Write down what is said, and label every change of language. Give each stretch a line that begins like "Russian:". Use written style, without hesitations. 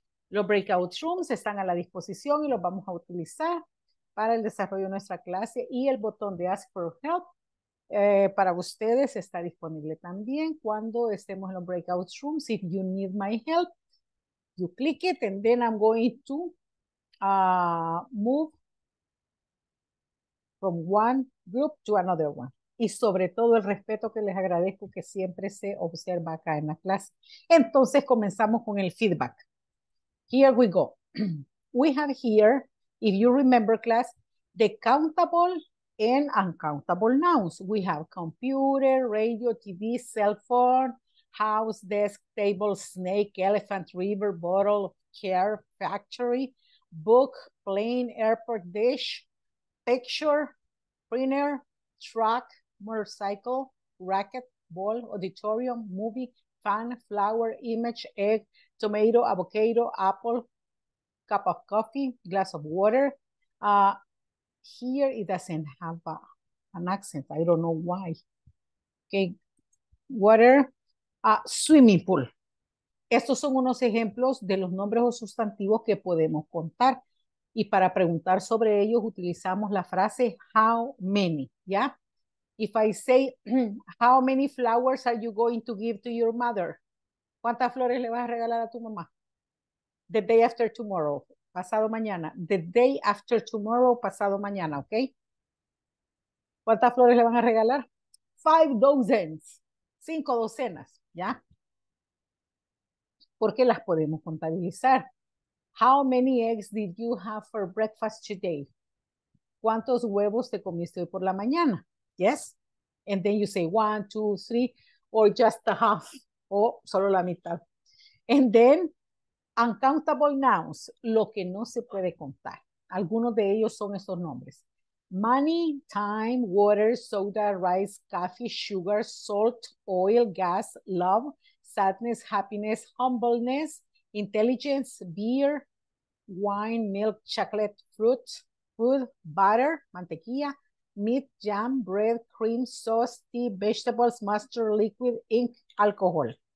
Spanish: Los breakout rooms están a la disposición y los vamos a utilizar para el desarrollo de nuestra clase. Y el botón de Ask for Help para ustedes está disponible también cuando estemos en los breakout rooms.
English: If you need my help, you click it and then I'm going to move from one group to another one.
Spanish: Y sobre todo el respeto que les agradezco que siempre se observa acá en la clase. Entonces comenzamos con el feedback.
English: Here we go. We have here, if you remember class, the countable and uncountable nouns. We have computer, radio, TV, cell phone, house, desk, table, snake, elephant, river, bottle, chair, factory, book, plane, airport, dish, picture, printer, truck, motorcycle, racket, ball, auditorium, movie, fan, flower, image, egg, tomato, avocado, apple, cup of coffee, glass of water. Here it doesn't have an accent. I don't know why. Okay, water, swimming pool.
Spanish: Estos son unos ejemplos de los nombres o sustantivos que podemos contar. Y para preguntar sobre ellos utilizamos la frase
English: how many,
Spanish: ¿ya?
English: If I say, how many flowers are you going to give to your mother?
Spanish: ¿Cuántas flores le vas a regalar a tu mamá?
English: The day after tomorrow,
Spanish: pasado mañana.
English: The day after tomorrow, pasado mañana, ¿ok?
Spanish: ¿Cuántas flores le van a regalar?
English: 5 dozens,
Spanish: 5 docenas, ¿ya? Porque las podemos contabilizar.
English: How many eggs did you have for breakfast today?
Spanish: ¿Cuántos huevos te comiste hoy por la mañana?
English: Yes, and then you say 1, 2, 3, or just a half,
Spanish: o solo la mitad.
English: And then, uncountable nouns,
Spanish: lo que no se puede contar. Algunos de ellos son esos nombres.
English: Money, time, water, soda, rice, coffee, sugar, salt, oil, gas, love, sadness, happiness, humbleness, intelligence, beer, wine, milk, chocolate, fruit, food, butter, mantequilla, meat, jam, bread, cream, sauce, tea, vegetables, mustard, liquid, ink, alcohol.